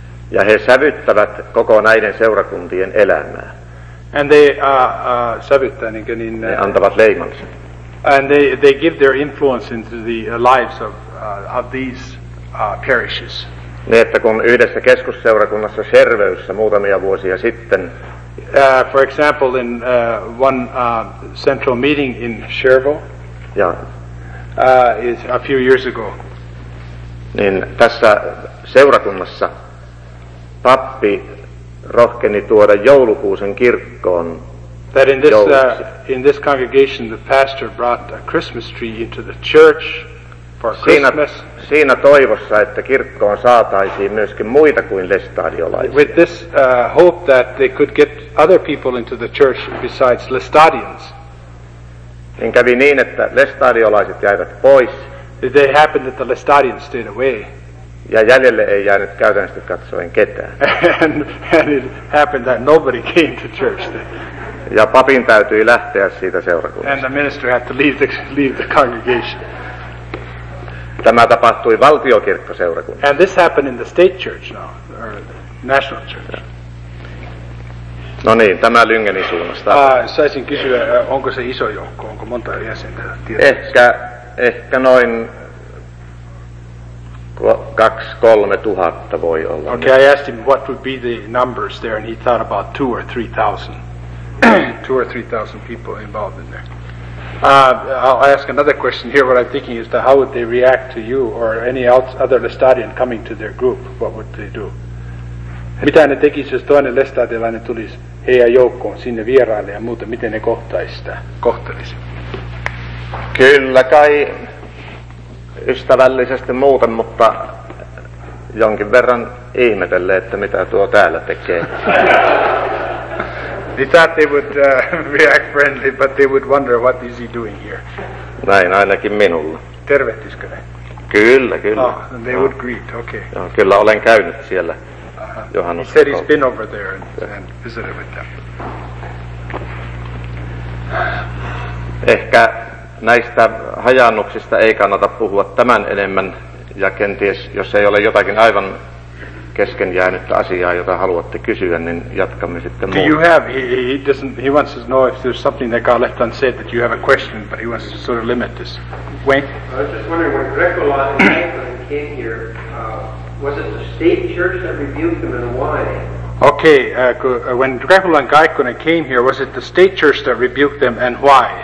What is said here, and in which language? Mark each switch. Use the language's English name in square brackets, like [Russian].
[Finnish] Ja he sävyttävät koko näiden seurakuntien elämää. [English] And they [Finnish] antavat leimansa. [English] And they give their influence into the lives of these parishes. [Finnish] Niin, että kun yhdessä keskusseurakunnassa Sherveyssä muutamia vuosia sitten, [English] for example, in one central meeting in Shervo, [Finnish] ja, [English] is a few years ago, [Finnish] niin tässä seurakunnassa pappi rohkeni tuoda joulukuusen kirkkoon. [English] That in this congregation the pastor brought a Christmas tree into the church for Christmas. [Finnish] Siinä toivossa, että kirkkoon saataisiin myöskin muita kuin lestadiolaisia. [English] With this hope that they could get other people into the church besides lestadians. [Finnish] Niin kävi niin, että lestadiolaiset jäivät pois. [English] It happened that the lestadians stayed away. [Finnish] Ja jäljelle ei jäänyt käytännössä katsoen ketään. [English] And it happened that nobody came to church then. [Finnish] Ja papin täytyi lähteä siitä seurakunnasta. [English] And the minister had to leave the congregation. [Finnish] Tämä tapahtui valtiokirkkoseurakunnassa. [English] And this happened in the state church now, or the national church. [Finnish] Ja. No niin, tämä Lyngeni suunnasta. Saisin kysyä, onko se iso joukko, onko monta jäsentä? Ehkä noin 2,000-3,000 voi olla. [English] Okay, I asked him what would be the numbers there, and he thought about 2,000 or 3,000. 2,000 or 3,000 people involved in there. I'll ask another question here. What I'm thinking is that how would they react to you or any other lestadian coming to their group? What would they do? [Finnish] Mitä ne tekisi, jos toinen lestadialainen tulisi heidän joukkoon sinne vieraille ja muuta? Miten ne kohtelisi? Kyllä kai ystävällisesti muuten, mutta jonkin verran ihmetelle, että mitä tuo täällä tekee. [English] They thought they would react friendly, but they would wonder, what is he doing here? [Finnish] Näin ainakin minulla. Tervehtisikö ne? Kyllä, kyllä. [English] Oh, and they would greet, okay. [Finnish] Ja, kyllä, olen käynyt siellä juhannuksen. [English] He said he's been over there and visited with them. [Finnish] Ehkä näistä hajannuksista ei kannata puhua tämän enemmän, ja kenties, jos ei ole jotakin aivan kesken jäänyttä asiaa, jota haluatte kysyä, niin jatkamme sitten muuta. [English] Do you have, he wants to know if there's something that got left unsaid, that you have a question, but he wants to sort of limit this. Wayne? I was just wondering, when Dracula and Kaikkonen came here, was it the state church that rebuked them and why? Okay, when Dracula and Kaikkonen came here, was it the state church that rebuked them and why?